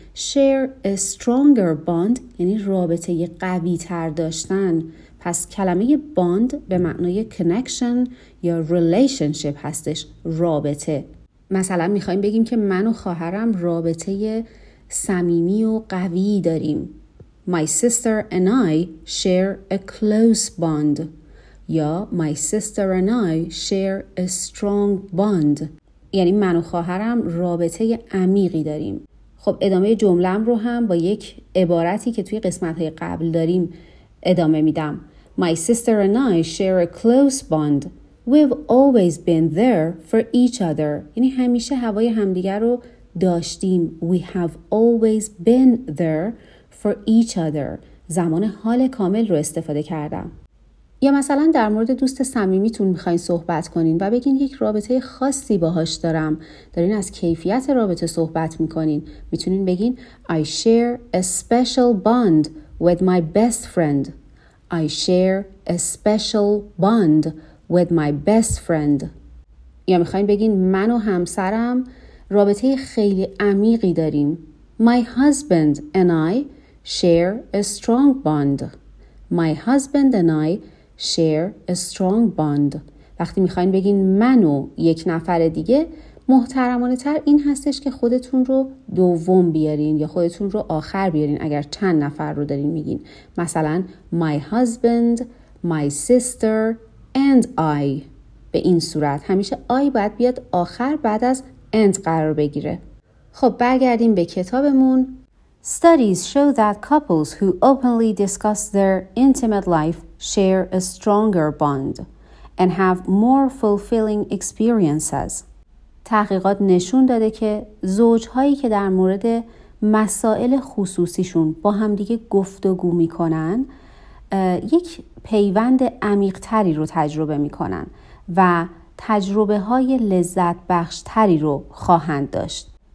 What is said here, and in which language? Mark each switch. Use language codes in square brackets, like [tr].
[en] Share a stronger bond [fa] یعنی رابطه قویتر داشتن. پس کلمه باند به معنای connection یا relationship هستش، رابطه. مثلا میخواییم بگیم که من و خواهرم رابطه صمیمی و قوی داریم. [en] My sister and I share a close bond. [fa] یا [en] My sister and I share a strong bond. [fa] یعنی من و خواهرم رابطه عمیقی داریم. خب ادامه جمله‌ام رو هم با یک عبارتی که توی قسمت‌های قبل داریم ادامه میدم. [en] My sister and I share a close bond. We've always been there for each other. [fa] یعنی همیشه هوای همدیگر رو داشتیم. [en] We have always been there for each other. [fa] زمان حال کامل رو استفاده کردم. یا مثلا در مورد دوست صمیمیتون میخواین صحبت کنین و بگین یک رابطه خاصی باهاش دارم. دارین از کیفیت رابطه صحبت میکنین. میتونین بگین [en] I share a special bond with my best friend. I share a special bond with my best friend. [fa] یا میخواین بگین من و همسرم رابطه خیلی عمیقی داریم. [en] My husband and I share a strong bond. My husband and I share a strong bond. [fa] وقتی میخواین بگین من و یک نفر دیگه، محترمانه تر این هستش که خودتون رو دوم بیارین یا خودتون رو آخر بیارین اگر چند نفر رو دارین میگین. مثلا [en] My husband, my sister and I. [fa] به این صورت همیشه I باید بیاد آخر بعد از and قرار بگیره. خب برگردیم به کتابمون. [en] Studies show that couples who openly discuss their intimate life share a stronger bond and have more fulfilling experiences. [fa] تحقیقات نشون داده که زوجهایی که در مورد مسائل خصوصیشون با همدیگه گفتگو میکنن یک پیوند عمیق تری رو تجربه میکنن و تجربه های لذت بخش تری رو خواهند داشت.